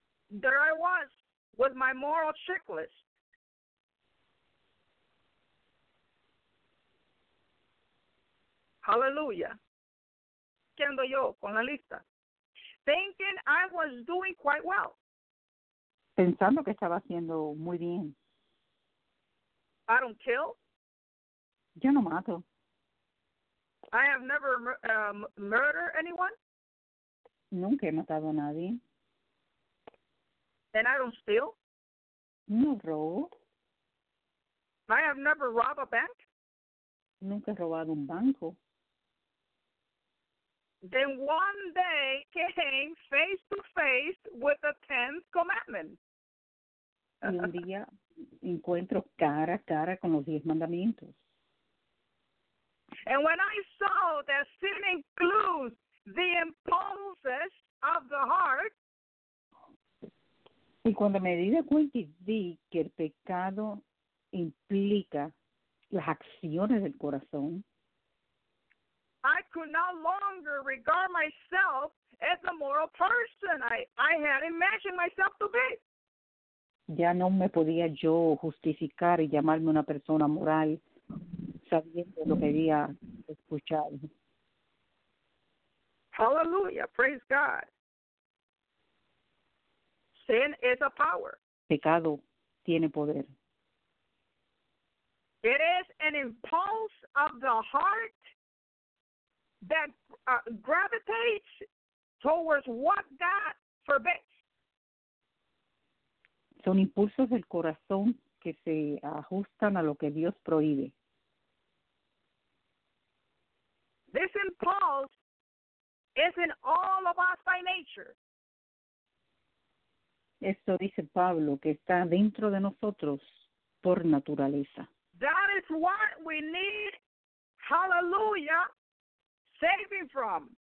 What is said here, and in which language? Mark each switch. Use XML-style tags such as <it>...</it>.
<en>There I was with my moral checklist.</en> <es>Hallelujah. Quedando yo con la lista.</es> <en>Thinking I was doing quite well.</en> <es>Pensando que estaba haciendo muy bien.</es> <en>I don't kill.</en> <es>Yo no mato.</es> <en>I have never murdered anyone.</en> <es>Nunca he matado a nadie.</es> <en>And I don't steal.</en> <es>No robo.</es> <en>I have never robbed a bank.</en> <es>Nunca he robado un banco.</es> <en>Then one day came face to face with the tenth commandment.</en> <es>Y un día encuentro cara a cara con los diez mandamientos.</es> <en>And when I saw that sin includes the impulses of the heart,</en> <es>y cuando me di de cuenta y vi que el pecado implica las acciones del corazón,</es> <en>I could no longer regard myself as the moral person I had imagined myself to be.</en> <es>Ya no me podía yo justificar y llamarme una persona moral sabiendo lo que había escuchado.</es> <en>Hallelujah, praise God. Sin is a power.</en> <es>Pecado tiene poder.</es> <en>It is an impulse of the heart that gravitates towards what God forbids.</en> <es>Son impulsos del corazón que se ajustan a lo que Dios prohíbe.</es> <en>This impulse is in all of us by nature.</en> <es>Esto dice Pablo, que está dentro de nosotros por naturaleza.</es> <en>That is what we need, hallelujah, saving from.</en>